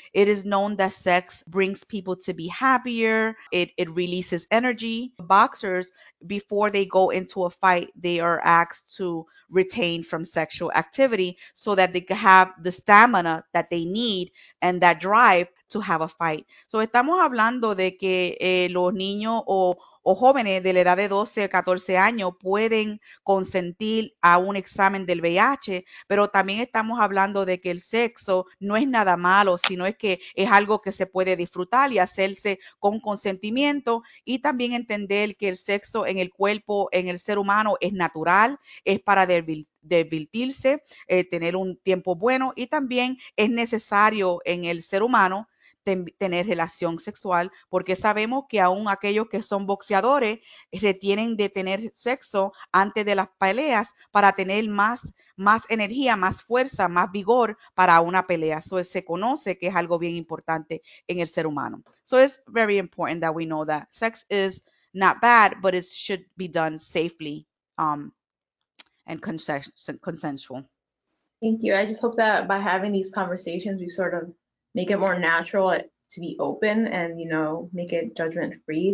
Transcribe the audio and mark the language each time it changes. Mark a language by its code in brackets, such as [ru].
[en] It is known that sex brings people to be happier. It releases energy. Boxers, before they go into a fight, they are asked to retain from sexual activity so that they have the stamina that they need and that drive to have a fight. [es] So estamos hablando de que los niños o jóvenes de la edad de 12 a 14 años pueden consentir a un examen del VIH, pero también estamos hablando de que el sexo no es nada malo, sino es que es algo que se puede disfrutar y hacerse con consentimiento y también entender que el sexo en el cuerpo, en el ser humano, es natural, es para divertirse, tener un tiempo bueno y también es necesario en el ser humano tener relación sexual, porque sabemos que aún aquellos que son boxeadores retienen de tener sexo antes de las peleas para tener más energía, más fuerza, más vigor para una pelea. So se conoce que es algo bien importante en el ser humano. [en] So it's very important that we know that sex is not bad, but it should be done safely and consensual. Thank you. I just hope that by having these conversations, we sort of make it more natural to be open and, you know, make it judgment free.